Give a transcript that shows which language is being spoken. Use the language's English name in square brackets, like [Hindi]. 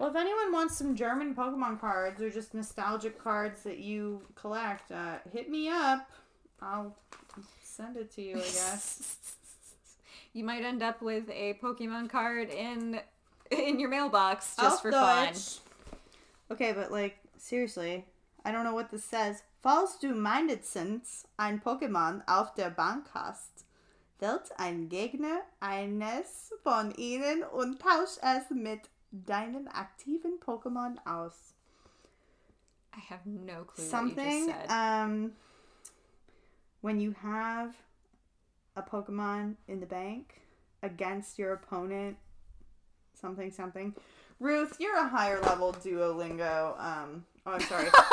[English] Well, if anyone wants some German Pokemon cards or just nostalgic cards that you collect, hit me up. I'll send it to you, I guess. You might end up with a Pokemon card in your mailbox just for fun. Okay, but like, seriously, I don't know what this says. [German] Falls du meinet sinds ein Pokémon auf der Bank hast, wählt ein Gegner eines von ihnen und tausch es mit deinem aktiven Pokémon aus. [English] I have no clue something, what you just said. When you have a Pokémon in the bank against your opponent, something, something. Ruth, you're a higher level Duolingo. Oh, I'm sorry.